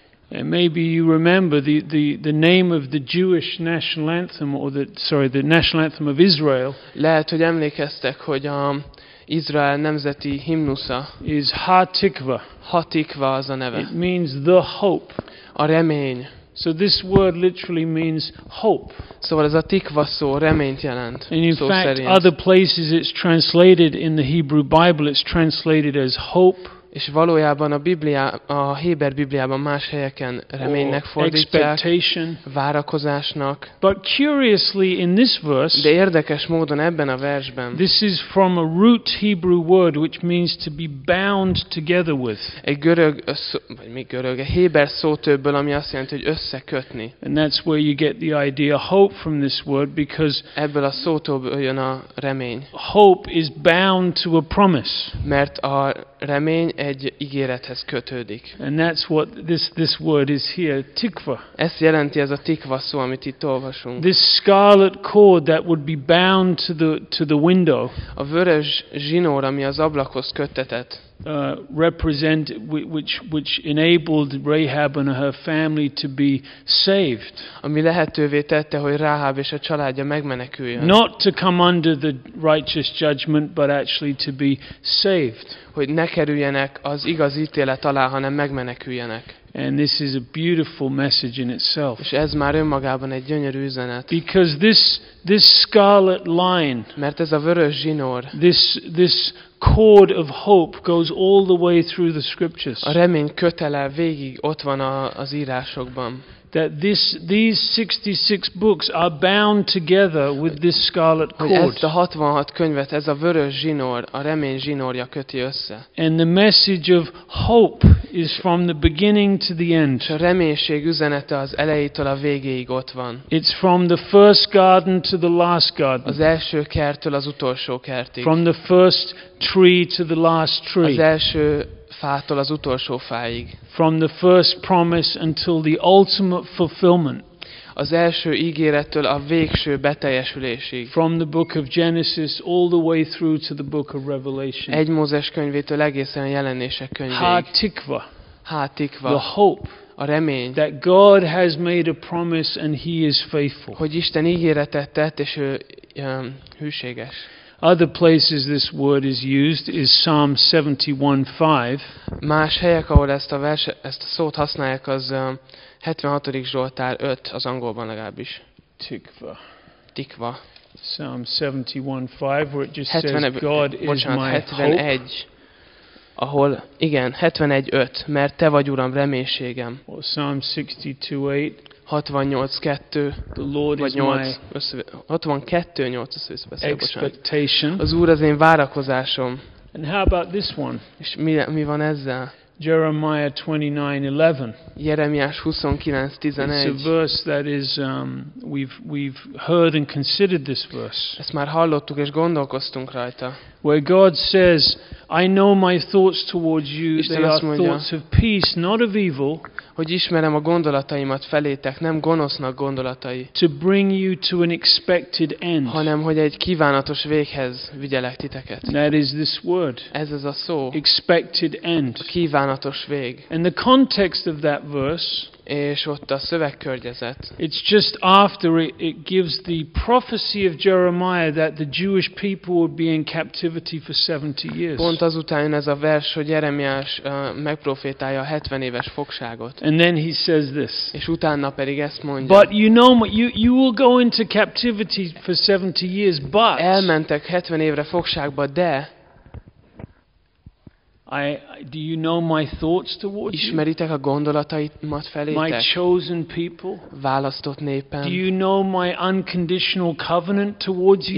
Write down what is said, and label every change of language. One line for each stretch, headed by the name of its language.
English: And maybe you remember the name of the Jewish national anthem the national anthem of Israel.
Hungarian: Lehet, hogy emlékeztek, hogy Izrael nemzeti himnusza
English: is Hatikva.
Hungarian: Hatikva az a neve.
English: It means the hope.
Hungarian: A remény.
English: So this word literally means hope.
Hungarian: Szóval ez a tikva szó reményt jelent.
English: And in fact, other places it's translated in the Hebrew Bible, it's translated as hope.
Hungarian: És valójában a héber Bibliában más helyeken reménynek fordítják, várakozásnak.
English: But curiously in this verse,
Hungarian: de érdekes módon ebben a versben,
English: this is from a root Hebrew word which means to be bound together with.
Hungarian: A héber szótőből, ami azt jelenti, hogy összekötni.
English: And that's where you get the idea hope from this word, because
Hungarian: ebből a szótóból jön a remény.
English: Hope is bound to a promise.
Hungarian: Mert a remény egy ígérethez kötődik.
English: And that's what this word is here, tikva.
Hungarian: Ezt jelenti ez a tikva szó, amit itt olvasunk.
English: This scarlet cord that would be bound to the window.
Hungarian: A vörös zsinór, ami az ablakhoz kötetett.
English: Represent which enabled Rahab and her family to be saved.
Hungarian: Ami lehetővé tette, hogy Ráhab és a családja megmeneküljön.
English: Not to come under the righteous judgment, but actually to be saved.
Hungarian: Hogy ne kerüljenek az igaz ítélet alá, hanem megmeneküljenek.
English: And this is a beautiful message in itself.
Hungarian: És ez már önmagában egy gyönyörű üzenet.
English: Because this scarlet line.
Hungarian: Mert ez a vörös zsinór.
English: This cord of hope goes all the way through the scriptures.
Hungarian: A remény kötele végig ott van az írásokban.
English: That these 66 books are bound together with this scarlet cord.
Hungarian: Ezt a 66 könyvet, ez a vörös zsinór, a remény zsinórja köti össze.
English: And the message of hope is from the beginning to the end.
Hungarian: A reménység üzenete az elejétől a végéig ott van.
English: It's from the first garden to the last garden.
Hungarian: Az első kerttől az utolsó kertig.
English: From the first tree to the last tree.
Hungarian: Az első fától az utolsó fáig.
English: From the first promise until the ultimate fulfillment.
Hungarian: Az első ígérettől a végső beteljesülésig.
English: From the book of Genesis all the way through to the book of Revelation.
Hungarian: Egy Mózes könyvétől egészen a Jelenések könyvéig.
English: Ha-tikva. The hope.
Hungarian: A remény.
English: That God has made a promise and he is faithful.
Hungarian: Hogy Isten ígéretet tett, és ő hűséges.
English: Other places this word is used is Psalm 71:5.
Hungarian: Más helyek, ahol ezt a szót használják, az 76. Zsoltár 5, az angolban legalábbis.
Hebrew: Tikva.
English: Psalm 71:5, where it just 71, says God is my 71, hope.
Hungarian: Ahol, igen, 71:5, mert te vagy Uram reménységem.
English: Or Psalm 62:8. 68:2 62:8 expectation.
Hungarian: Az Úr az én várakozásom.
English: And how about this one?
Hungarian: És mi van ezzel?
English: Jeremiah 29:11.
Hungarian: Jeremiás 29:11.
English: It's a verse that is we've heard and considered this verse.
Hungarian: Ezt már hallottuk és gondolkoztunk rajta.
English: Where God says, I know my thoughts towards you, they are thoughts of peace, not of evil.
Hungarian: Hogy ismerem a gondolataimat felétek, nem gonosznak gondolatai.
English: To bring you to an expected end.
Hungarian: Hanem hogy egy kívánatos véghez vigyelek titeket.
English: That is this word.
Hungarian: Ez az a szó.
English: Expected end.
Hungarian: A kívánatos vég.
English: And the context of that verse.
Hungarian: És ott a szövegkörnyezet.
English: It's just after it gives the prophecy of Jeremiah that the Jewish people would be in captivity for 70 years.
Hungarian: Pont azután jön ez a vers, hogy Jeremiás megprofétálja a 70 éves fogságot.
English: And then he says this.
Hungarian: És utána pedig ezt mondja.
English: But you know what, you will go into captivity for 70 years, but
Hungarian: elmentek 70 évre fogságba, de
English: do you know my thoughts towards you?
Hungarian: Ismeritek a gondolataimat felétek?
English: My chosen people.
Hungarian: Választott népem.
English: Do you know my unconditional covenant towards you?